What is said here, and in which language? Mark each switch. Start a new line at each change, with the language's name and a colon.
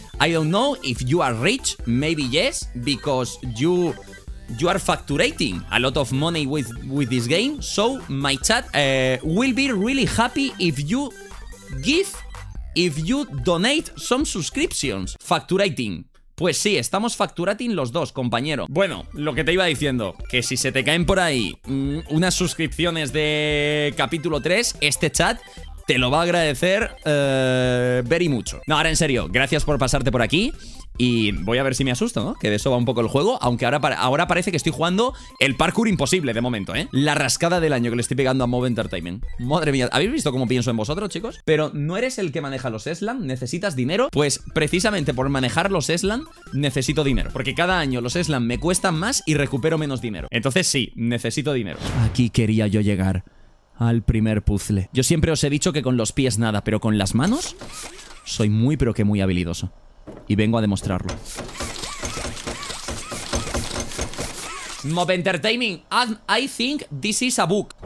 English: I don't know if you are rich. Maybe yes, because you are facturating a lot of money with this game. So my chat will be really happy if you donate some subscriptions.
Spanish: Facturating. Pues sí, estamos facturating los dos, compañero. Bueno, lo que te iba diciendo, que si se te caen por ahí unas suscripciones de capítulo 3, este chat te lo va a agradecer very mucho. No, ahora en serio, gracias por pasarte por aquí y voy a ver si me asusto, ¿no? Que de eso va un poco el juego, aunque ahora parece que estoy jugando el parkour imposible de momento, ¿eh? La rascada del año que le estoy pegando a Mob Entertainment. Madre mía, ¿habéis visto cómo pienso en vosotros, chicos? Pero no eres el que maneja los Eslan, ¿necesitas dinero? Pues precisamente por manejar los Eslan necesito dinero, porque cada año los Eslan me cuestan más y recupero menos dinero. Entonces sí, necesito dinero. Aquí quería yo llegar. Al primer puzzle. Yo siempre os he dicho que con los pies nada, pero con las manos soy muy pero que muy habilidoso. Y vengo a demostrarlo.
English: Mob Entertainment, I think this is a book.